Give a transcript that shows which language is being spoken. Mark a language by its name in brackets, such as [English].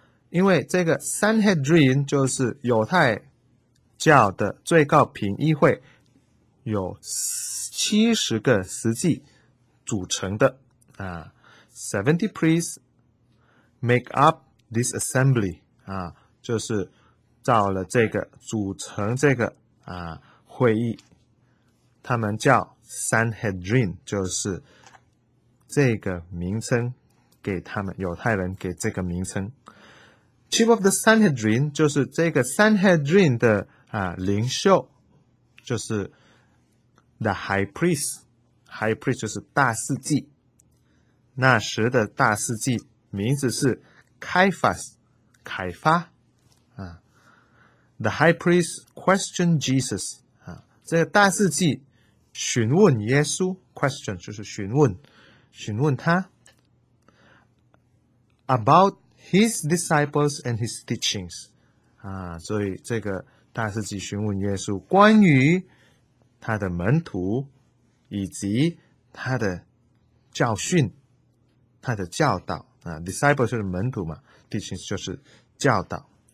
[Chinese] 因为这个 Sanhedrin 就是犹太教的最高评议会，有70个司祭组成的啊 ， [English] 70 priests make up this assembly [Chinese] 啊，就是造了这个组成这个啊会议，他们叫 Sanhedrin， 就是这个名称给他们犹太人给这个名称。 [English] Chief of the Sanhedrin [Chinese] 就是这个 Sanhedrin 的啊领袖，就是 [English] the high priest， [Chinese] high priest 就是大司祭。那时的大司祭名字是 Caiaphas， 凯发啊。 [English] The high priest questioned Jesus [Chinese] 啊，这个大司祭询问耶稣 ，question 就是询问，询问他 about。 [English] His disciples and his teachings. [Chinese] 啊，所以这个大司祭询问耶稣关于他的门徒以及他的教训。他的教导啊 ，disciple 就是门徒嘛 ，teaching 就是教导。